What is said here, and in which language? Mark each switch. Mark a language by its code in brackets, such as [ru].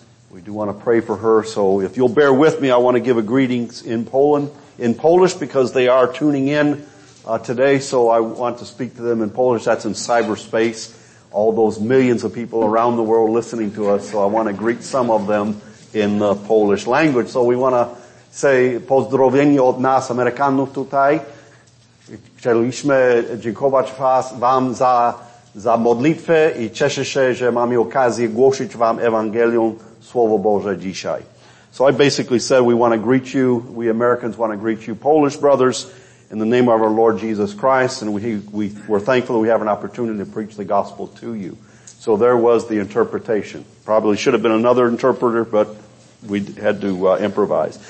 [en] We do want to pray for her. So if you'll bear with me, I want to give a greetings in Poland, in Polish, because they are tuning in today. So I want to speak to them in Polish. That's in cyberspace. All those millions of people around the world listening to us. So I want to greet some of them in the Polish language. So we want to say [pl] pozdrowienie od nas Amerykanów tutaj. Chcieliśmy dziękować wam za modlitwę i cieszę się, że mamy okazję głosić wam Ewangelię Słowo Boże dzisiaj. [en] So I basically said we want to greet you, we Americans want to greet you, Polish brothers, in the name of our Lord Jesus Christ, and we're thankful that we have an opportunity to preach the gospel to you. So there was the interpretation. Probably should have been another interpreter, but we had to improvise.